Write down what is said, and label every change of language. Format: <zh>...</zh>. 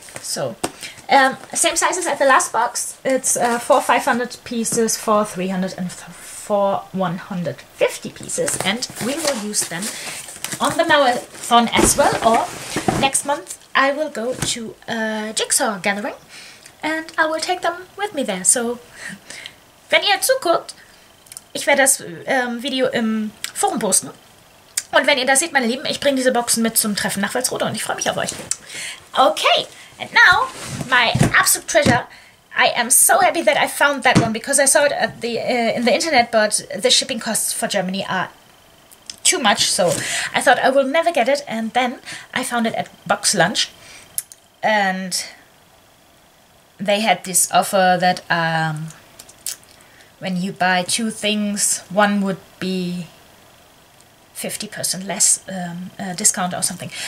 <en>So, same sizes as the last box. It's four 500 pieces, four 300, and four 150 pieces, and we will use them on the marathon as well, or next month I will go to a jigsaw gathering and I will take them with me there.</en> <de>So, wenn ihr zuguckt, ich werde das Video im Forum posten. Und wenn ihr das seht, meine Lieben, ich bringe diese Boxen mit zum Treffen nach Walsrode und ich freue mich auf euch.</de> <en>Okay, and now, my absolute treasure. I am so happy that I found that one, because I saw it at the in the internet, but the shipping costs for Germany are too much. So I thought I will never get it. And then I found it at Box Lunch, and they had this offer that when you buy two things, one would be 50% less discount or something.</en>